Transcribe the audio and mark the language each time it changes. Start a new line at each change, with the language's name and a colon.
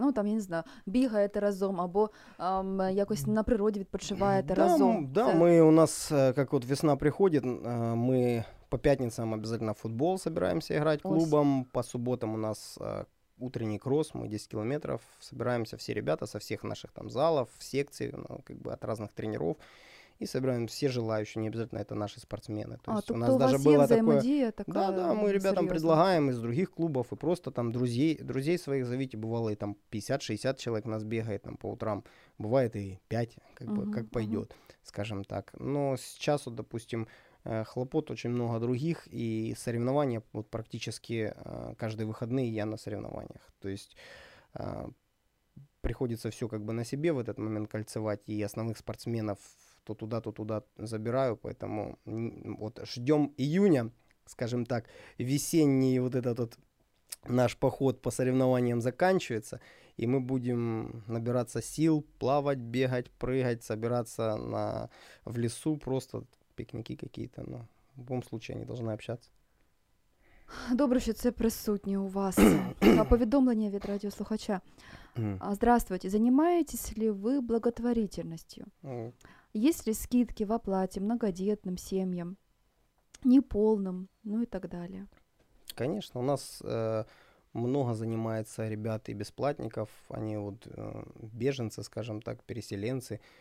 Ukrainian: Ну, там, я не знаю, бігаєте разом або якось на природі відпочиваєте разом. Да, ми у нас, як от весна приходить, ми по п'ятницям обов'язково в футбол збираємося грати клубом. Ось. По суботам у нас утренний крос, ми 10 кілометрів збираємося всі ребята со всіх наших там залів, секцій,
Russian: ну, как бы от разных тренеров. И собираем все желающие, не обязательно это наши спортсмены. То есть у нас даже было такое... такое. Да, да, мы ребятам серьезно предлагаем из других клубов и просто там друзей, друзей своих зовите. Бывало, и там 50-60 человек у нас бегает там по утрам. Бывает и 5, как бы как пойдет, скажем так. Но сейчас, вот, допустим, хлопот очень много других, и соревнования вот практически каждые выходные я на соревнованиях. То есть приходится все как бы на себе в этот момент кольцевать, и основных спортсменов то туда забираю, поэтому вот ждем июня, скажем так, весенний вот этот вот наш поход по соревнованиям заканчивается, и мы будем набираться сил, плавать, бегать, прыгать, собираться на, в лесу, просто пикники какие-то, но в любом случае они должны общаться.
Ukrainian: Добре, що це присутнє у вас. Повідомлення від радіослухача.
Russian: Здравствуйте, занимаетесь ли вы благотворительностью? Есть ли скидки в оплате многодетным семьям, неполным, ну и так далее? Конечно, у нас много занимается ребят и бесплатников, они вот беженцы, скажем так, переселенцы.